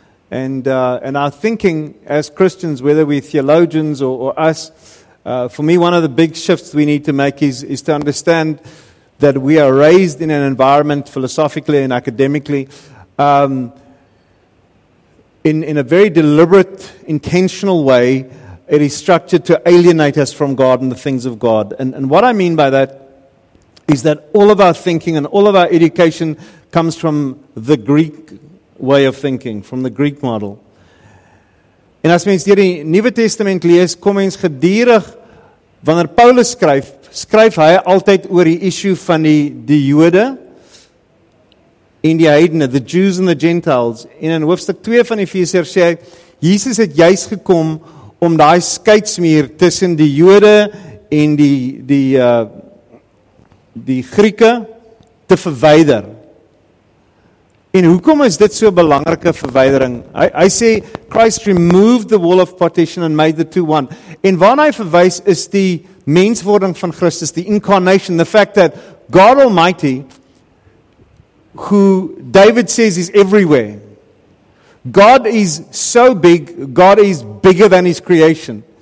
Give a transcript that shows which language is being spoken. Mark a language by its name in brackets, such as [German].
[English] And our thinking as Christians, whether we're theologians or us, for me, one of the big shifts we need to make is to understand that we are raised in an environment philosophically and academically in a very deliberate, intentional way it is structured to alienate us from God and the things of God. And what I mean by that is that all of our thinking and all of our education comes from the Greek way of thinking, from the Greek model. [Afrikaans] En as mens deur die Nuwe Testament lees, kom mens gedurig, wanneer Paulus skryf, skryf hy altyd oor die issue van die Jode en die heidene, [English] the Jews and the Gentiles. [Afrikaans] En in hoofstuk 2 van Efesiërs sê hy, Jesus het juis gekom om daai skeidsmuur tussen die Jode en die Grieke te verwyder. En hoekom is dit so 'n belangrike verwydering? Hy sê [English] Christ removed the wall of partition and made the two one. [Afrikaans] En waarna hy verwys is die menswording van Christus, [English] the incarnation, the fact that God Almighty, who David says is everywhere. God is so big, God is bigger than his creation.